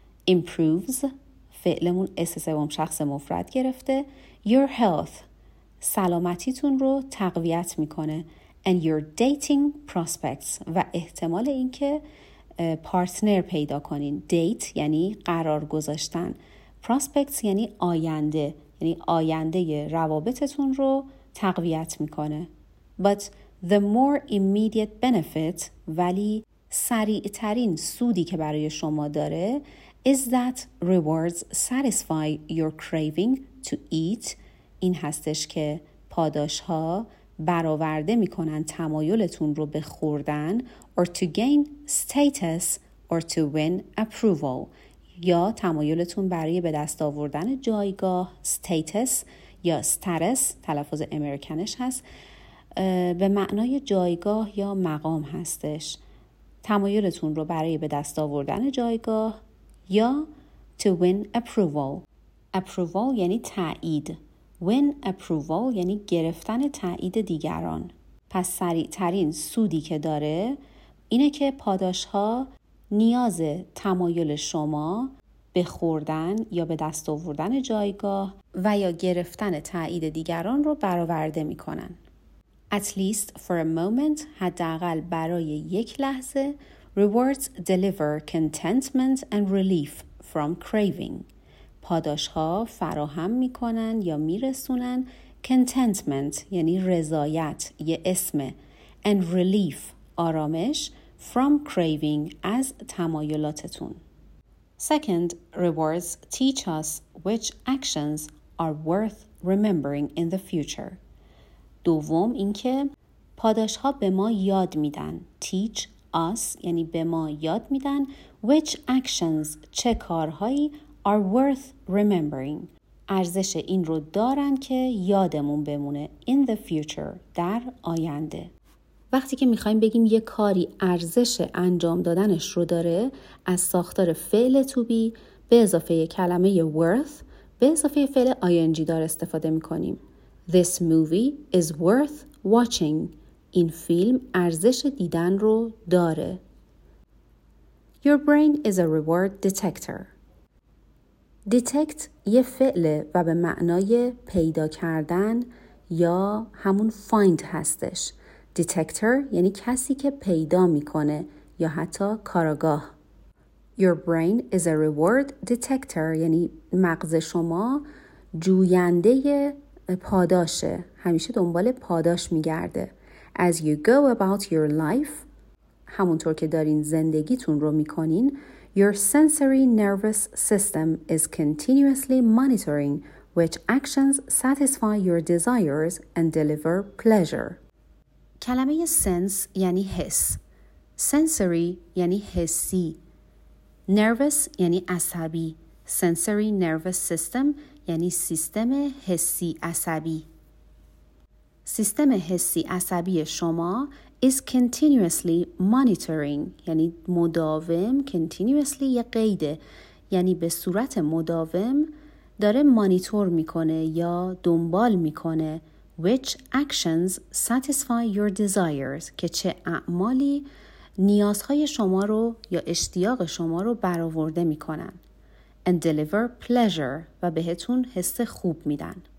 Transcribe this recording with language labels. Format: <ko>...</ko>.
<en>Improves.</en> <fa>فعلمون اس سوم شخص مفرد گرفته.</fa> <en>Your health.</en> <fa>سلامتیتون رو تقویت میکنه.</fa> <en>And your dating prospects.</en> <fa>و احتمال اینکه پارتنر پیدا کنین. دیت یعنی قرار گذاشتن. پراسپکتس یعنی آینده. یعنی آینده روابطتون رو تقویت میکنه.</fa> <en>But the more immediate benefit</en> <fa>ولی سریع ترین سودی که برای شما داره</fa> <en>is that rewards satisfy your craving to eat.</en> <fa>این هستش که پاداش ها برآورده میکنن تمایلتون رو به خوردن</fa> <en>or to gain status or to win approval</en> <fa>یا تمایلتون برای به دست آوردن جایگاه status یا status تلفظ امریکنش هست به معنای جایگاه یا مقام هستش تمایلتون رو برای به دست آوردن جایگاه یا</fa> <en>to win approval</en> <fa>approval یعنی تایید win approval یعنی گرفتن تایید دیگران پس سریع ترین سودی که داره اینه که پاداش ها نیاز تمایل شما به خوردن یا به دست آوردن جایگاه و یا گرفتن تایید دیگران رو برآورده می کنن.</fa> <en>At least for a moment,</en> <fa>حداقل برای یک لحظه,</fa> <en>rewards deliver contentment and relief from craving.</en> <fa>پاداش ها فراهم می کنن یا می رسونن contentment یعنی رضایت یه اسمه</fa> <en>and relief</en> <fa>آرامش</fa> <en>from craving</en> <fa>از تمایلاتتون.</fa> <en>Second, rewards teach us which actions are worth remembering in the future.</en> <fa>دوم اینکه پاداش ها به ما یاد میدن.</fa> <en>Teach us</en> <fa>یعنی به ما یاد میدن</fa> <en>which actions</en> <fa>چه کارهایی</fa> <en>are worth remembering.</en> <fa>ارزش این رو دارن که یادمون بمونه</fa> <en>in the future</en> <fa>در آینده. وقتی که میخواییم بگیم یه کاری ارزش انجام دادنش رو داره از ساختار فعل to be به اضافه کلمه worth به اضافه فعل ing دار استفاده میکنیم.</fa> <en>This movie is worth watching.</en> <fa>این فیلم ارزش دیدن رو داره.</fa> <en>Your brain is a reward detector.</en> <fa>Detect یه فعله و به معنای پیدا کردن یا همون find هستش. Detector یعنی کسی که پیدا میکنه یا حتی کاراگاه.</fa> <en>Your brain is a reward detector</en> <fa>یعنی مغز شما جوینده پاداشه. همیشه دنبال پاداش میگرده.</fa> <en>As you go about your life</en> <fa>همونطور که دارین زندگیتون رو میکنین</fa> <en>Your sensory nervous system is continuously monitoring which actions satisfy your desires and deliver pleasure.</en> <fa>کلمه sense یعنی حس. Sensory یعنی حسی. Nervous یعنی عصبی.</fa> <en>Sensory nervous system</en> <fa>یعنی سیستم حسی عصبی. سیستم حسی عصبی شما</fa> <en>is continuously monitoring</en> <fa>یعنی مداوم continuously یه قیده یعنی به صورت مداوم داره مانیتور میکنه یا دنبال میکنه</fa> <en>which actions satisfy your desires</en> <fa>که چه اعمالی نیازهای شما رو یا اشتیاق شما رو برآورده میکنن</fa> <en>and deliver pleasure</en> <fa>و بهتون حس خوب میدن</fa>